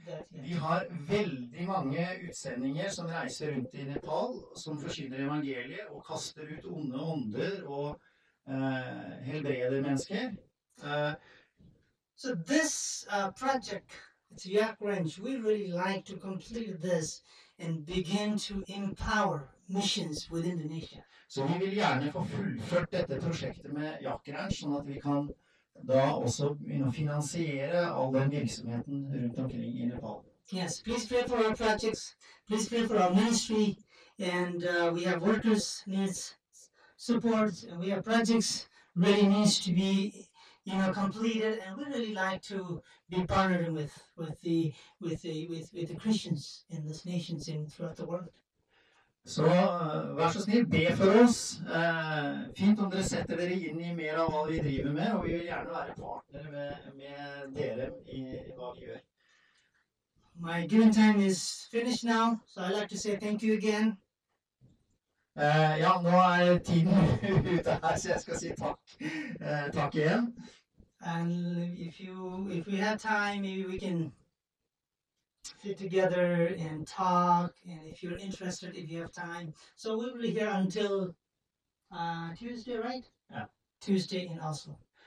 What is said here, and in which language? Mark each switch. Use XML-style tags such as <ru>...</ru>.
<no>Vi har veldig mange utsendinger som reiser rundt i Nepal, som forsyner evangeliet og kaster ut onde ånder og helbreder mennesker.</no> <en>So this project, it's Yak Ranch, we really like to complete this and begin to empower missions within the nation.</en> <no>Så vi vil gjerne få fullført dette prosjektet med Yak Ranch, sånn at vi kan da også begynne å finansiere all den virksomheten rundt omkring i Nepal.</no> <en>Yes, please pray for our projects, please pray for our ministry, and we have workers needs support, we have projects really needs to be, completed, and we really like to be partnering with the Christians in this nations in throughout the world.</en> <no>Så vær så snill, be for oss. Fint om dere setter dere inn I mer av hva vi driver med, og vi vil gjerne være partnere med dere I hva vi gjør.</no> <en>My given time is finished now, so I'd like to say thank you again.</en> <no>Ja, nå tiden ute her, så jeg skal si takk. Takk igjen.</no> <en>And if we have time, maybe we can fit together and talk, and if you're interested, if you have time. So we'll be here until Tuesday, right? Yeah. Tuesday in Oslo.</en>